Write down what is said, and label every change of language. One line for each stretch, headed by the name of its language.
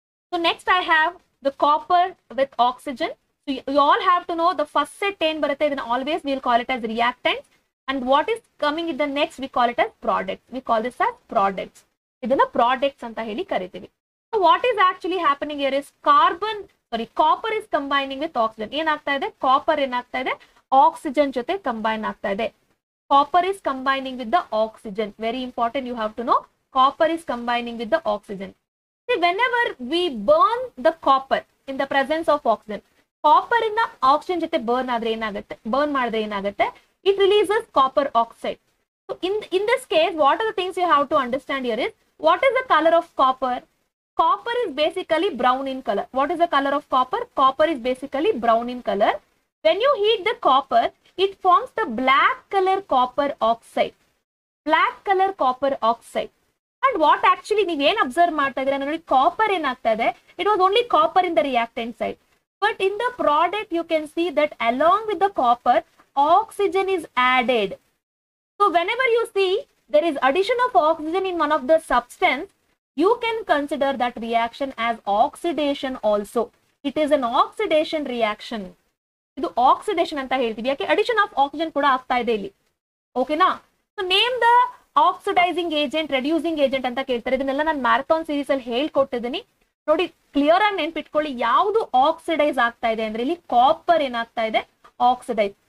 English: So next I have the copper with oxygen. So you all have to know the first set
Kannada: ಏನ್ ಬರುತ್ತೆ ಇದನ್ನ
English: Always will call it as reactant and what is coming in the next we call it as product. We call this as products.
Kannada: ಇದನ್ನ products ಅಂತ ಹೇಳಿ ಕರಿತೀವಿ.
English: So what is actually happening here is carbon, sorry copper is combining with oxygen.
Kannada: ಏನಾಗ್ತಾ ಇದೆ? Copper ಏನಾಗ್ತಾ ಇದೆ? Oxygen ಜೊತೆ combine ಆಗ್ತಾ ಇದೆ.
English: Copper is combining with the oxygen. Very important, you have to know. Copper is combining with the oxygen. See, whenever we burn the copper in the presence of oxygen, copper in the oxygen
Kannada: jate burn madre enagutte,
English: it releases copper oxide. So in this case, what are the things you have to understand here is, what is the color of copper? Copper is basically brown in color. What is the color of copper? Copper is basically brown in color. When you heat the copper, it forms the black color copper oxide. Black color copper oxide. And what actually
Kannada: neevu en observe maartidira nodi, copper en aagtade,
English: it was only copper in the reactant side, but in the product you can see that along with the copper oxygen is added. So whenever you see there is addition of oxygen in one of the substance, you can consider that reaction as oxidation also. It is an oxidation reaction.
Kannada: ಇದು oxidation ಅಂತ ಹೇಳ್ತೀವಿ. ಯಾಕೆ?
English: addition of oxygen
Kannada: ಕೂಡ ಆಗ್ತಾ ಇದೆ ಇಲ್ಲಿ. ಓಕೆನಾ?
English: So name the oxidising agent, reducing agent ಅಂತ ಕೇಳ್ತಾರೆ.
Kannada: ಇದನ್ನೆಲ್ಲ ನಾನು ಮ್ಯಾರಥಾನ್ ಸೀರೀಸ್ ಅಲ್ಲಿ ಹೇಳ್ಕೊಟ್ಟಿದ್ದೀನಿ ನೋಡಿ. ಕ್ಲಿಯರ್ ಆಗಿ ನೆನ್ಪಿಟ್ಕೊಳ್ಳಿ, ಯಾವುದು ಆಕ್ಸಿಡೈಸ್ ಆಗ್ತಾ ಇದೆ ಅಂದ್ರೆ ಇಲ್ಲಿ ಕಾಪರ್ ಏನಾಗ್ತಾ ಇದೆ? ಆಕ್ಸಿಡೈಸ್.